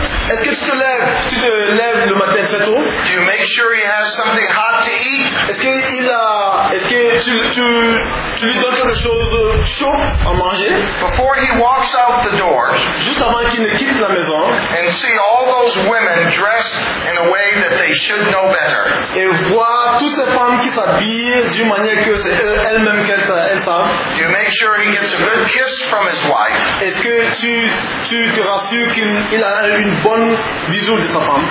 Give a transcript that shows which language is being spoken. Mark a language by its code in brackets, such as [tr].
[fr] Est-ce que tu te lèves le matin très tôt? [en] Do you make sure he has something hot to eat? [fr] Est-ce que tu lui donnes quelque chose chaud à manger? [en] Before he walks out the door. [fr] Juste avant qu'il ne quitte la maison. [en] And see all those women dressed in a way that they should know better. [fr] Et voir toutes ces femmes qui s'habillent d'une manière que c'est elles-mêmes qu'elles savent. [en] Do you make sure he gets a good kiss from his wife? [fr] Est-ce que tu te rassures qu'il a une bonne bisou de sa femme?